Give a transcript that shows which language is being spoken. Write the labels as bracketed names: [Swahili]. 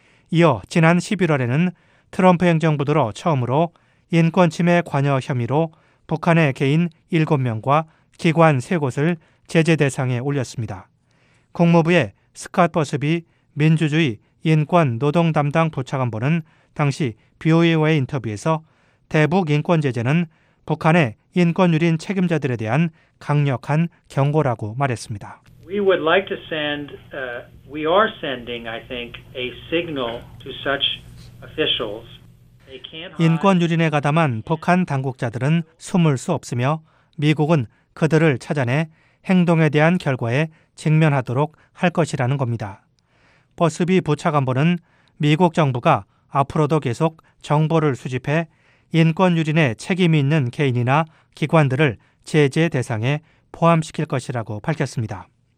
[Korean] 이어 지난 11월에는 트럼프 행정부 들어 처음으로 인권 침해 관여 혐의로 북한의 개인 7명과 기관 3곳을 제재 대상에 올렸습니다. 국무부의 스캇 버스비 민주주의 인권 노동 담당 부차관보는 당시 BOA와의 인터뷰에서 대북 인권 제재는 북한의 인권 유린 책임자들에 대한 강력한 경고라고 말했습니다. [English] We would like to send, we are sending, I think, a signal to such officials. [Korean] 인권 유린에 가담한 북한 당국자들은 숨을 수 없으며 미국은 그들을 찾아내 행동에 대한 결과에 직면하도록 할 것이라는 겁니다. 버스비 부차관보는 미국 정부가 앞으로도 계속 정보를 수집해 인권 유린에 책임이 있는 개인이나 기관들을 제재 대상에 포함시킬 것이라고 밝혔습니다.